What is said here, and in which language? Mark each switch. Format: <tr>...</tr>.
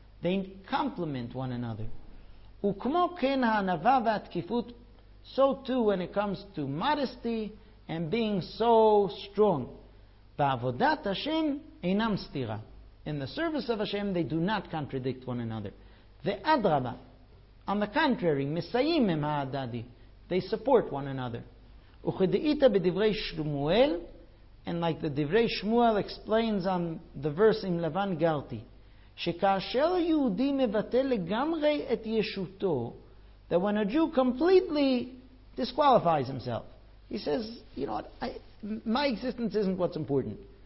<en>They complement one another.</en> <he>וכמו כן הענווה והתקיפות,</he> <en>so too when it comes to modesty and being so strong.</en> <he>בעבודת השם אינם סתירה.</he> <en>In the service of Hashem they do not contradict one another.</en> <he>ואדרבה,</he> <en>on the contrary,</en> <he>מסיים הם ההדדי.</he> <en>They support one another.</en> <he>וכדאית בדברי שמואל,</he> <en>and like the</en> <he>דברי שמואל</he> <en>explains on the verse</en> <he>עם לבן גרתי, שכאשר יהודי מבטל לגמרי את ישותו,</he> <en>that when a Jew completely disqualifies himself, he says, you know what, my existence isn't what's important.</en>